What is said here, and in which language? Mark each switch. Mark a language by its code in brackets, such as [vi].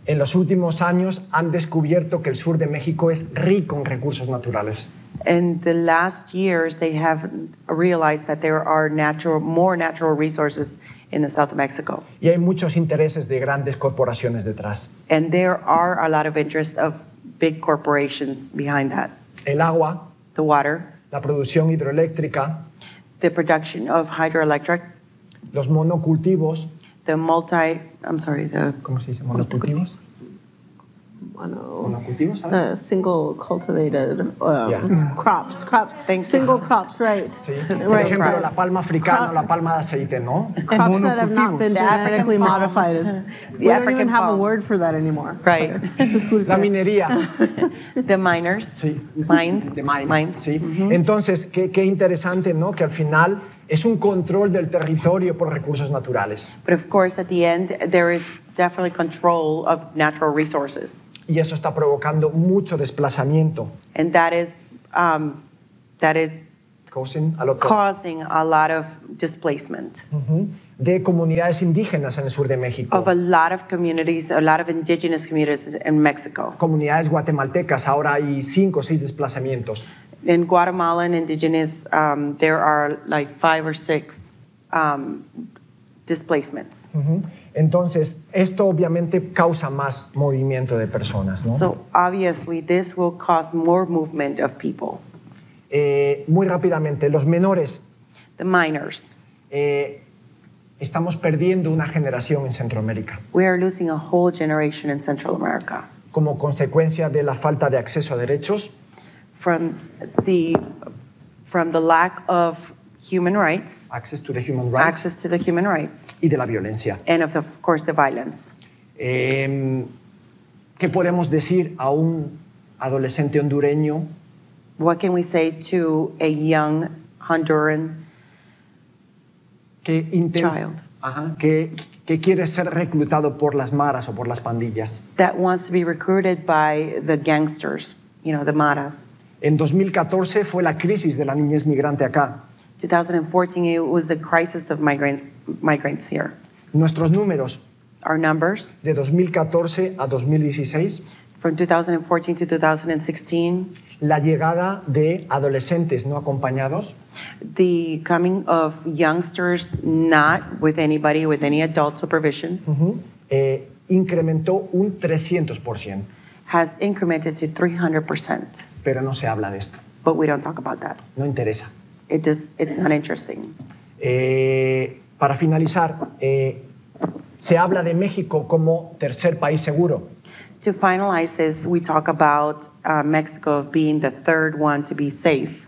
[es] En los últimos años han descubierto que el sur de México es rico en recursos naturales. [en] In the last years, they have realized that there are more natural resources in the south of Mexico. [es] Y hay muchos intereses de grandes corporaciones detrás. [en] And there are a lot of interests of big corporations behind that. [es] El agua, [en] the water, [es] la producción hidroeléctrica, [en] the production of hydroelectric, [es] los monocultivos, ¿cómo se dice? Monocultivos. [en] Single crops, right? Sí. Right. [es] Por ejemplo, crops. La palma africana, la palma de aceite, ¿no? [en] Crops that have not been genetically modified. We don't even have a word for that anymore. Right. [es] La minería. [en] The miners. [es] Sí. [en] Mines. The mines. [es] Sí. Mm-hmm. Entonces, qué interesante, ¿no? Que al final es un control del territorio por recursos naturales. [en] But of course, at the end, there is definitely control of natural resources. [es] Y eso está provocando mucho desplazamiento. [en] And that is causing a lot of displacement. Uh-huh. [es] De comunidades indígenas en el sur de México. [en] Of a lot of indigenous communities in Mexico. [es] Comunidades guatemaltecas, ahora hay 5 o 6 desplazamientos. [en] In Guatemalan indigenous, there are like 5 or 6 displacements. Uh-huh. [es] Entonces, esto obviamente causa más movimiento de personas, ¿no? [en] So, obviously, this will cause more movement of people. [es] Muy rápidamente, los menores. [en] The minors. [es] Estamos perdiendo una generación en Centroamérica. [en] We are losing a whole generation in Central America. [es] Como consecuencia de la falta de acceso a derechos. [en] From the lack of human rights. Access to the human rights. Access to the human rights. [es] Y de la violencia. [en] And of course, the violence. [es] ¿Qué podemos decir a un adolescente hondureño? [en] What can we say to a young Honduran child? [es] Que quiere ser reclutado por las maras o por las pandillas. [en] That wants to be recruited by the gangsters, you know, the maras. [es] En 2014 fue la crisis de la niñez migrante acá. [en] 2014, it was the crisis of migrants here. [es] Nuestros números. [en] Our numbers. [es] De 2014 a 2016. [en] From 2014 to 2016. [es] La llegada de adolescentes no acompañados. [en] The coming of youngsters not with anybody, with any adult supervision. [es] Uh-huh. Incrementó un 300%. [en] Has incremented to 300%. [es] Pero no se habla de esto. [en] But we don't talk about that. [es] No interesa. [en] It's not interesting. [es] Para finalizar, se habla de México como tercer país seguro. [en] To finalize this, we talk about Mexico being the third one to be safe.